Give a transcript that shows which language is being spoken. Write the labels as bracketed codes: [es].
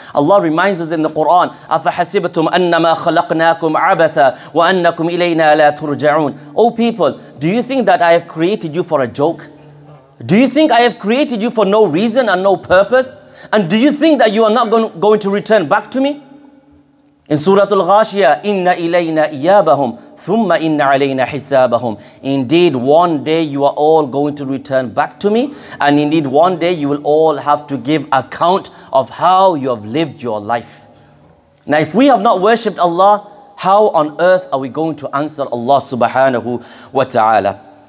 [en] Allah reminds us in the Quran, [ar] أَفَحَسِبْتُمْ أَنَّمَا خَلَقْنَاكُمْ عَبَثًا وَأَنَّكُمْ إِلَيْنَا لَا تُرْجَعُونَ. [en] O people, do you think that I have created you for a joke? Do you think I have created you for no reason and no purpose? And do you think that you are not going to return back to me? [ar] In Surah Al-Ghashiyah, إِنَّ إِلَيْنَا إِيَابَهُمْ ثُمَّ إِنَّ عَلَيْنَا حِسَابَهُمْ. [en] Indeed, one day you are all going to return back to me. And indeed, one day you will all have to give account of how you have lived your life. Now, if we have not worshipped Allah, how on earth are we going to answer Allah subhanahu wa ta'ala?